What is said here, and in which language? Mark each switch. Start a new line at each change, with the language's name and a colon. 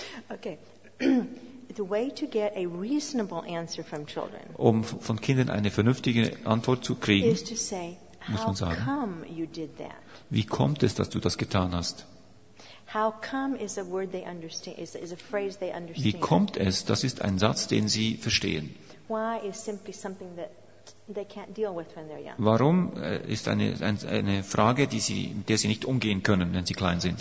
English: Okay. The way to get a reasonable answer from children,
German: um von Kindern eine vernünftige Antwort zu kriegen,
English: is to say, how come you did that?
German: Wie kommt es, dass du das getan hast?
English: How come is a word they understand, is a phrase they understand.
German: Wie kommt es? Das ist ein Satz, den sie verstehen.
English: Why is simply something that they can't deal with when they're young.
German: Warum ist eine Frage, die sie, mit der sie nicht umgehen können, wenn sie klein sind?